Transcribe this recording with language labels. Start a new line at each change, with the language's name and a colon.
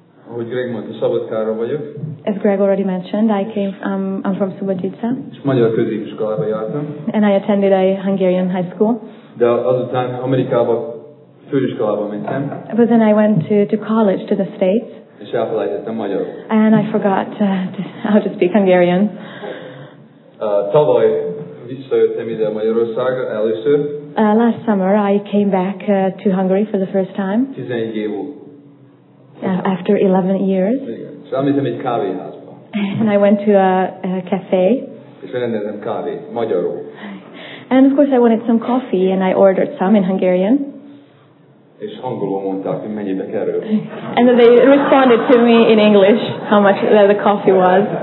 Hungarian: Ahogy Greg mondta, Szabadkára vagyok.
English: As Greg already mentioned, I came. I'm from Subotica.
Hungarian: Magyar középiskolába jártam.
English: And I attended a Hungarian high school.
Hungarian: De azután Amerikába főiskolába mentem.
English: But then I went to college to the States.
Hungarian: És elfelejtettem magyarul.
English: And I forgot how to speak Hungarian.
Hungarian: Tavaly visszajöttem ide Magyarországra először.
English: Last summer I came back to Hungary for the first time.
Hungarian: 11 év.
English: After 11 years. So I met him at a cafe. And I went to a cafe.
Hungarian: És rendeltem kávé, magyarul.
English: And of course I wanted some coffee and I ordered some in Hungarian.
Hungarian: És angolul mondták, hogy mennyibe kerül.
English: And they responded to me in English how much the coffee was.